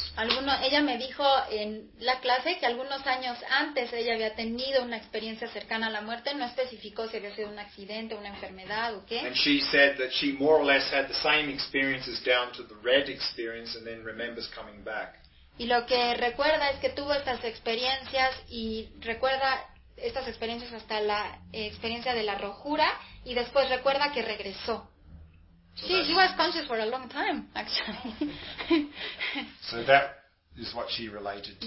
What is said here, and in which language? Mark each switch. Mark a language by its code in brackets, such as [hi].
[es] Ella me dijo en la clase que algunos años antes ella había tenido una experiencia cercana a la muerte, no especificó si había sido un accidente, una enfermedad o qué. [en] And she said that she more or less had the same experiences down to the red experience and then remembers coming back. [es] Y lo que recuerda es que tuvo estas experiencias y recuerda estas experiencias hasta la experiencia de la rojura y después recuerda que regresó. [en] She was conscious for a long time, actually. So that is what she related to.